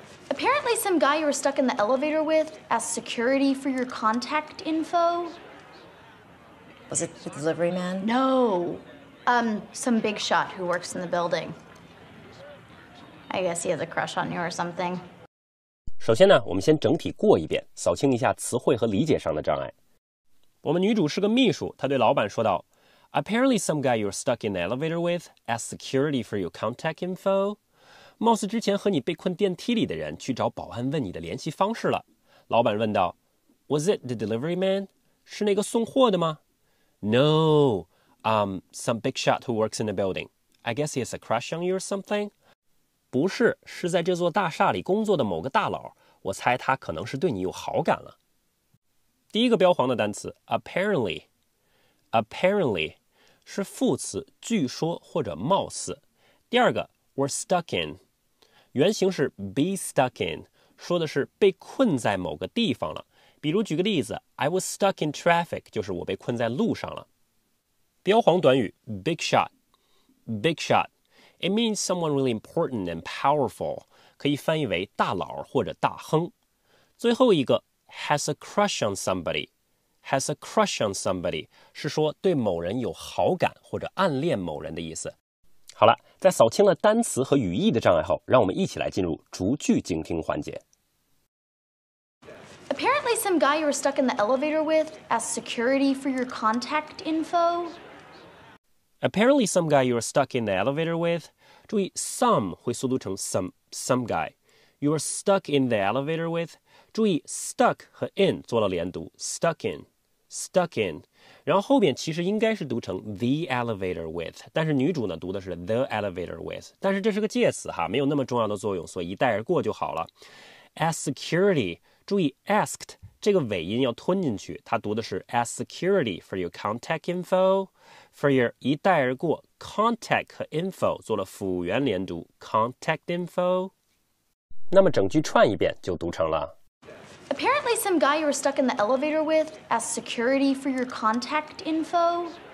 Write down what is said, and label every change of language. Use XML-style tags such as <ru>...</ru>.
<en>Apparently, some guy you were stuck in the elevator with asked security for your contact info. Was it the delivery man? No. Some big shot who works in the building. I guess he has a crush on you or something.</en> <zh>首先呢，我们先整体过一遍，扫清一下词汇和理解上的障碍。我们女主是个秘书，她对老板说道</zh> <en>：“Apparently, some guy you're stuck in the elevator with asked security for your contact info.</en> <zh>貌似之前和你被困电梯里的人去找保安问你的联系方式了。” 老板问道</zh> <en>：“Was it the delivery man?</en> <zh>是那个送货的吗</zh> <en>？”“No, some big shot who works in the building. I guess he has a crush on you or something.”</en> <zh>不是，是在这座大厦里工作的某个大佬。我猜他可能是对你有好感了。第一个标黄的单词 apparently 是副词，据说或者貌似。第二个 we're stuck in， 原型是 be stuck in， 说的是被困在某个地方了。比如举个例子 ，</zh> <en>I was stuck in traffic，</en> <zh>就是我被困在路上了。标黄短语 big shot，</zh> <en>it means someone really important and powerful，</en> <zh>可以翻译为大佬或者大亨。最后一个。 Has a crush on somebody 是说对某人有好感或者暗恋某人的意思。好了，在扫清了单词和语义的障碍后，让我们一起来进入逐句精听环节。</zh> <en>Apparently, some guy you were stuck in the elevator with asked security for your contact info. Apparently, some guy you were stuck in the elevator with. 注意 ，some 会缩读成 some guy. You were stuck in the elevator with.</en> <zh>注意 stuck 和 in 做了连读 stuck in 然后后面其实应该是读成 the elevator with 但是女主呢读的是 the elevator with 但是这是个介词哈没有那么重要的作用所以一带而过就好了 ask security 注意 asked 这个尾音要吞进去它读的是 ask security for your contact info for your 一带而过 contact 和 info 做了辅元连读 contact info 那么整句串一遍就读成了</zh> <en>Apparently, some guy you were stuck in the elevator with asked security for your contact info.</en>